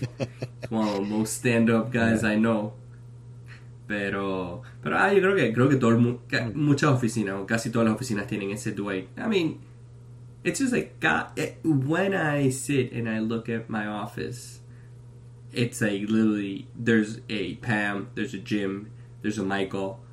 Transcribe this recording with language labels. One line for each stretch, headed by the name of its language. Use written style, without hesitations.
English: It's one of the most stand up guys I know.
Spanish: Pero yo creo que todo el mundo, muchas oficinas, o casi todas las oficinas tienen ese Dwight.
English: I mean, it's just like when I sit and I look at my office, it's like literally there's a Pam, there's a Jim, there's a Michael.